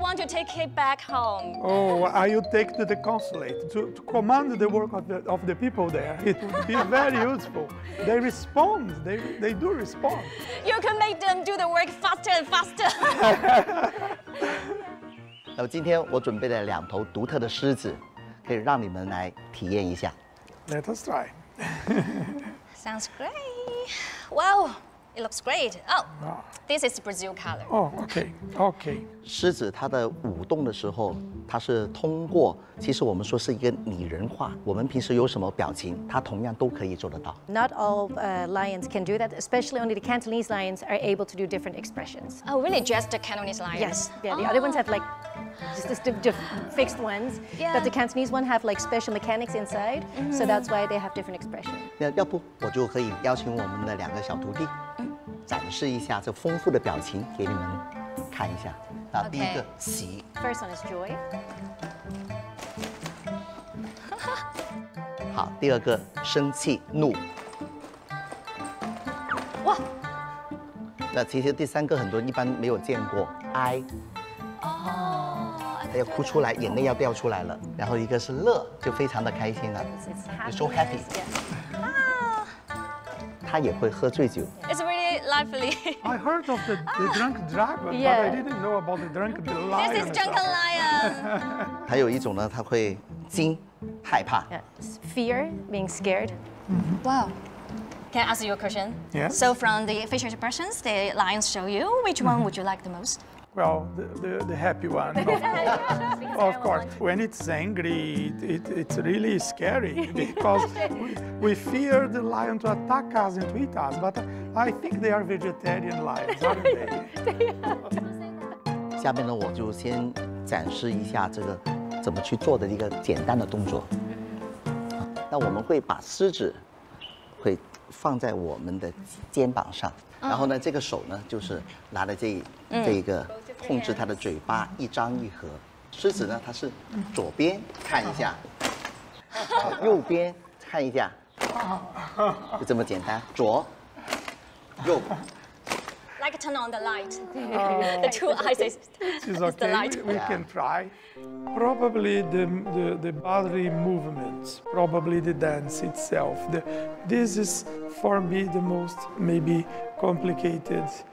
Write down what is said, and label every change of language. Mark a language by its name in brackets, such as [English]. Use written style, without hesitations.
[English] I would take to the consulate to command the work of the people there. It would be very useful. They respond. They do respond. You can make them do the work faster and faster. [Chinese] 那么今天我准备了两头独特的狮子，可以让你们来体验一下。 [English] Let us try. Sounds great. Wow, it looks great. Oh, this is Brazil color. Oh, okay, okay. [Chinese] 狮子它的舞动的时候。它是通过，其实我们说是一个拟人化。我们平时有什么表情，它同样都可以做得到。 [English] Not all lions can do that, especially only the Cantonese lions are able to do different expressions. Oh, really? Just the Cantonese lions? Yes. Yeah. The other ones have like just fixed ones. Yeah. But the Cantonese one have like special mechanics inside, so that's why they have different expressions. [Chinese] 那要不我就可以邀请我们的两个小徒弟，展示一下这丰富的表情给你们。看一下，那第一个喜。 [English] First one is joy. [Chinese] 好，第二个生气怒。哇。那其实第三个很多人一般没有见过哀。哦。他要哭出来，眼泪要掉出来了。然后一个是乐，就非常的开心了。 [English] It's so happy. 啊。 [Chinese] 他也会喝醉酒。 [English] Lively. I heard of the drunk dragon, but I didn't know about the drunk lion. This is drunken lion. [Chinese] 还有一种呢，它会惊，害怕。 [English] Fear, being scared. Wow. Can I ask you a question? Yes. So from the facial expressions, the lions show you, which one would you like the most? Well, the happy one, of course. Of course. When it's angry, it's really scary because we fear the lion to attack us and to eat us. But I think they are vegetarian lions, aren't they? [Chinese] 下面呢，我就先展示一下这个怎么去做的一个简单的动作。那我们会把狮子会放在我们的肩膀上，然后呢，这个手呢就是拿着这一个。控制它的嘴巴一张一合，狮子呢，它是左边看一下，右边看一下，就这么简单，左，右。 [English] Like turn on the light, the two eyes is the light. We can try. Probably the body movements, probably the dance itself. This is for me the most maybe complicated.